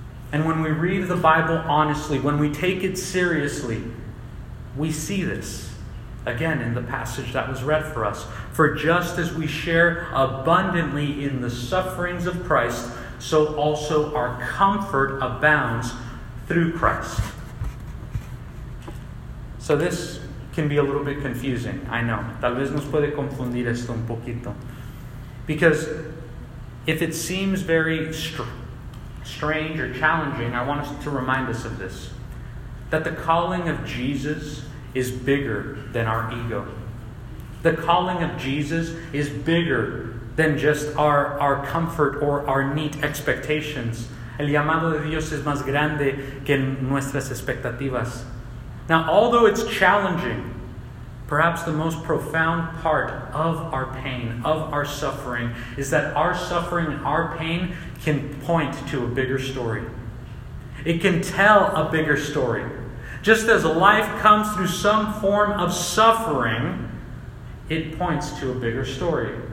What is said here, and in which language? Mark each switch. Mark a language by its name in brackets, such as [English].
[English] And when we read the Bible honestly, when we take it seriously, we see this again in the passage that was read for us. For just as we share abundantly in the sufferings of Christ, so also our comfort abounds through Christ. So this can be a little bit confusing, I know. [Spanish] Tal vez nos puede confundir esto un poquito. [English] Because if it seems very strange or challenging, I want us to remind us of this. That the calling of Jesus is bigger than our ego. The calling of Jesus is bigger than just our comfort or our neat expectations. [Spanish] El llamado de Dios es más grande que nuestras expectativas. [English] Now, although it's challenging, perhaps the most profound part of our pain, of our suffering, is that our suffering and our pain can point to a bigger story. It can tell a bigger story. Just as life comes through some form of suffering, it points to a bigger story.